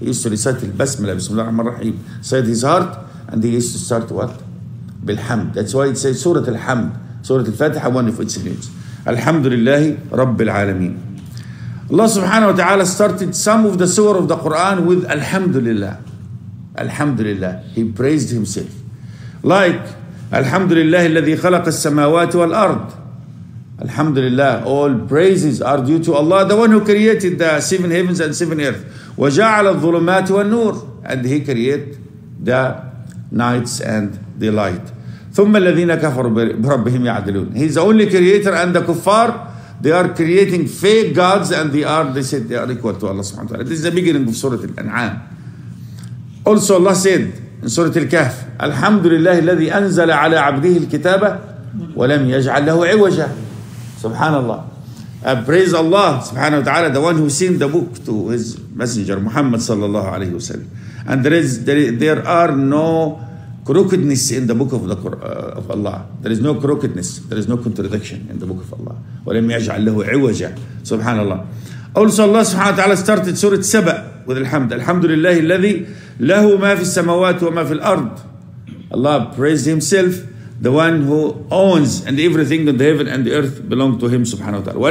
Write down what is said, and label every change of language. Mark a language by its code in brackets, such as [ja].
[en] He used to recite البسملة, [ar] بسم الله الرحمن الرحيم, [en] said his heart, and he used to start what? بالحمد. That's why it says Surah Al-Hamd, Surah Al-Fatiha, one of its names. Alhamdulillahi, Rabbil Alameen. Allah subhanahu wa ta'ala started some of the surah of the Quran with Alhamdulillah. Alhamdulillah. He praised himself. [ar] Like, Alhamdulillah الذي خلق السماوات والأرض. [en] Alhamdulillah, all praises are due to Allah, the one who created the seven heavens and seven earth. [ar] وَجَعَلَ الظُّلُمَاتِ وَالنُّورِ [en] And he created the nights and the light. [ar] ثُمَّ الَّذِينَ كَفَرُوا بِرَبِّهِمْ يَعْدِلُونَ [en] He's the only creator and the kuffar. They are creating fake gods and they said they are equal to Allah subhanahu wa ta'ala. This is the beginning of Surah Al-An'am. Also Allah said in Surah Al-Kahf, [ar] Alhamdulillah الذي أنزل على عبده الكتابة ولم يجعل له عوجا. Subhanallah. [en] Praise Allah subhanahu wa ta'ala, the one who sent the book to his messenger Muhammad sallallahu alayhi wa sallam. And there are no crookedness in the book of the Quran, of Allah. There is no crookedness. There is no contradiction in the book of Allah. [ar] وَلَمْ يَجْعَلْ لَهُ عِوَجًا سبحان الله. [en] Also Allah subhanahu wa ta'ala started Surah Sabah with الحمد. [ar] الحمد لله الذي له ما في السماوات وما في الأرض. [en] Allah praised himself, the one who owns and everything in the heaven and the earth belong to him subhanahu wa ta'ala.